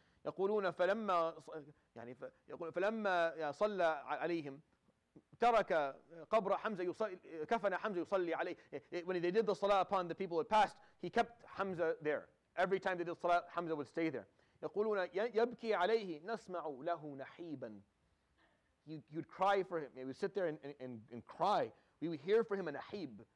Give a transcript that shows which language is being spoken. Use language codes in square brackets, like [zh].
[ar] يقولون فلما يعني يقول فلما صلى عليهم ترك قبر حمزة يصلي كفن حمزة يصلي عليه. [en] When they did the salah upon the people who had passed, he kept Hamza there. Every time they did salah, Hamza would stay there. [ar] يقولون يبكي عليه نسمع له نحيبا. [en] You'd cry for him. You would sit there and cry. We would hear for him a nahib.